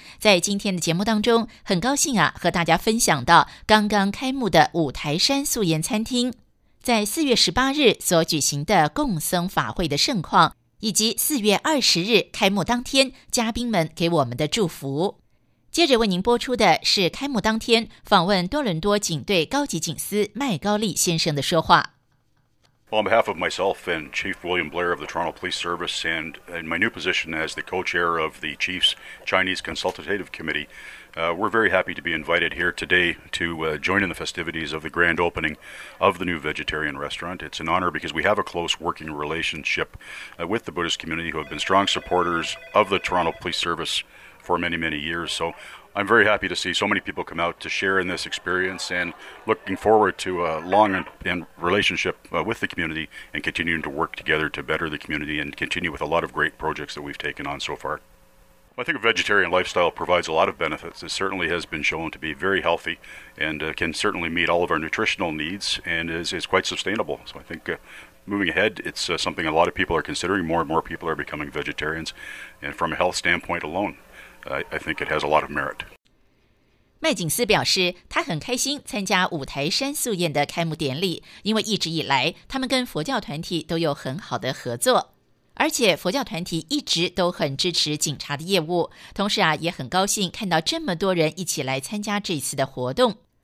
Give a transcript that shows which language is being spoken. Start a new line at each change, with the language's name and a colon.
Chinese: 在今天的节目当中，很高兴啊和大家分享到刚刚开幕的五台山素颜餐厅，在4月18日所举行的共僧法会的盛况，以及4月20日开幕当天嘉宾们给我们的祝福。接着为您播出的是开幕当天访问多伦多警队高级警司麦高利先生的说话。
English: On behalf of myself and Chief William Blair of the Toronto Police Service and in my new position as the co-chair of the Chief's Chinese Consultative Committee, we're very happy to be invited here today to join in the festivities of the grand opening of the new vegetarian restaurant. It's an honor because we have a close working relationship with the Buddhist community who have been strong supporters of the Toronto Police Service for many, many years. So I'm very happy to see so many people come out to share in this experience and looking forward to a long and relationship with the community and continuing to work together to better the community and continue with a lot of great projects that we've taken on so far. Well, I think a vegetarian lifestyle provides a lot of benefits. It certainly has been shown to be very healthy and can certainly meet all of our nutritional needs and is quite sustainable. So I think moving ahead, it's something a lot of people are considering. More and more people are becoming vegetarians. And from a health standpoint alone, I think it has a lot of merit.
Chinese: 麦景斯表示，他很开心参加五台山素宴的开幕典礼，因为一直以来，他们跟佛教团体都有很好的合作，而且佛教团体一直都很支持警察的业务，同时啊，也很高兴看到这么多人一起来参加这次的活动。